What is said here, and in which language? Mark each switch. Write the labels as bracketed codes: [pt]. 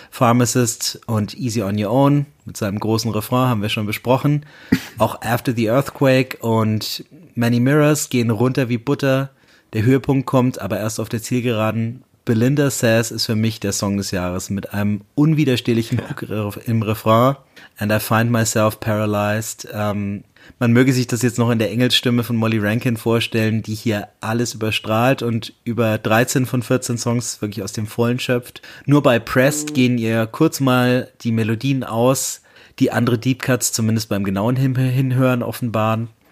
[de] Pharmacist und Easy on Your Own mit seinem großen Refrain haben wir schon besprochen. Auch After the Earthquake und Many Mirrors gehen runter wie Butter. Der Höhepunkt kommt aber erst auf der Zielgeraden. Belinda Says ist für mich der Song des Jahres mit einem unwiderstehlichen Hook im Refrain. [en] And I find myself paralyzed. [de] Man möge sich das jetzt noch in der Engelsstimme von Molly Rankin vorstellen, die hier alles überstrahlt und über 13 von 14 Songs wirklich aus dem Vollen schöpft. Nur bei Pressed gehen ihr kurz mal die Melodien aus, die andere Deep Cuts zumindest beim genauen Hinhören offenbaren.